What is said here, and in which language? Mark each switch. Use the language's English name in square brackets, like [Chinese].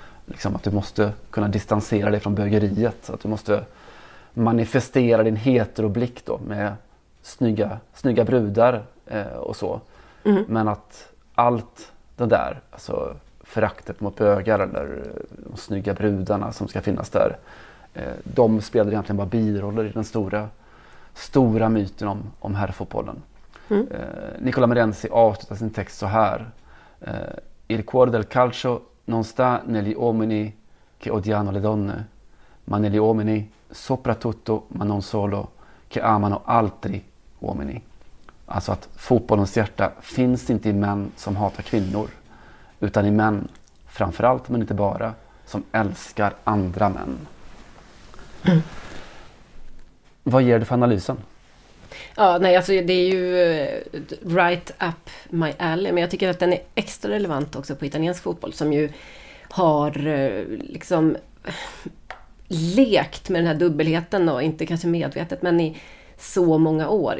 [Swedish] Liksom att du måste kunna distansera dig från bögeriet. Att du måste manifestera din heteroblick då med snygga brudar och så. Mm. Men att allt det där, alltså föraktet mot bögar eller de snygga brudarna som ska finnas där, de spelar egentligen bara biroller i den stora myten om herrfotbollen. Nicola Mirenzi avslutar sin text så här: [Italian] il cuore del calcio non sta negli uomini che odiano le donne, ma negli uomini soprattutto ma non solo che amano altri uomini. [Swedish] Alltså att fotbollens hjärta finns inte i män som hatar kvinnor, utan i män framförallt, men inte bara, som älskar andra män. Mm. Vad ger du för analysen? Ja, nej, alltså det är ju [English] right up my alley, [Swedish] men jag tycker att den är extra relevant också på italiensk fotboll, som ju har liksom lekt med den här dubbelheten och inte kanske medvetet, men i så många år.